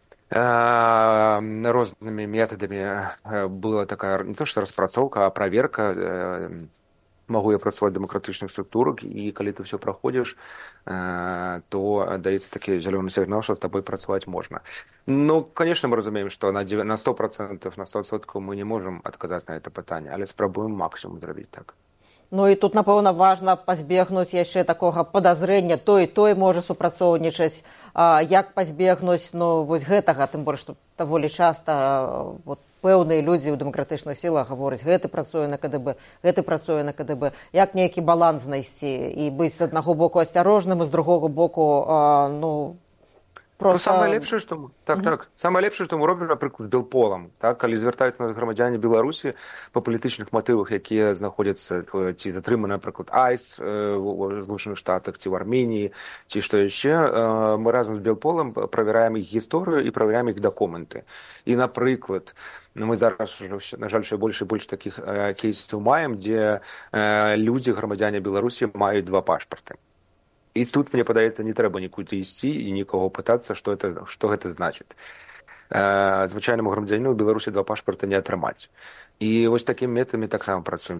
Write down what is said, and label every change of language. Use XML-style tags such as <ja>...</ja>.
<ru>разными методами была такая, не то что распрацовка, а проверка, могу я працевать в демократичных структурах, и когда ты все проходишь, то дается такой зеленый сигнал, что с тобой працевать можно. Ну, конечно, мы разумеем, что на 100%, на 100% мы не можем отказать на это питание, але спробуем максимум сделать так. Ну и тут, напевно, важно позбегнуть еще такого подозрения, то и то и может супрацовничать.</ru> <be>Як позбегнуть, ну, вот гэтага,</be> <ru>тем более, что довольно часто</ru> <be>вот пэўныя людзі ў дэмакратычных сілах гавораць, гэты працуе на КДБ, гэты працуе на КДБ. Як нейкі баланс знайсці і быць з аднаго боку асцярожным, і з другога боку, ну, просто... Ну, самае лепшае, што мы робім, напрыклад, Белполам, так, калі звертаюць на грамадзяне Беларусі па палітычных матывах, якія знаходзяцца, ці затрыманы, напрыклад, АЙС у Злучаных Штатах, ці ў Арміні, ці што яшчэ, мы разам з Белполам правяраем іх гісторыю і правяраем іх дакументы. І, напрыклад, мы зараз, на жаль,</be> <uk>ще больше і больше таких кейсів маем, де люди, громадяни Білорусі, мають два пашпорти. І тут, мені подається, не треба нікуди йти і нікого питатися, що це значить. Звичайному громадянину в Білорусі два пашпорти не отримати. І ось такими методами так само працюємо.</uk>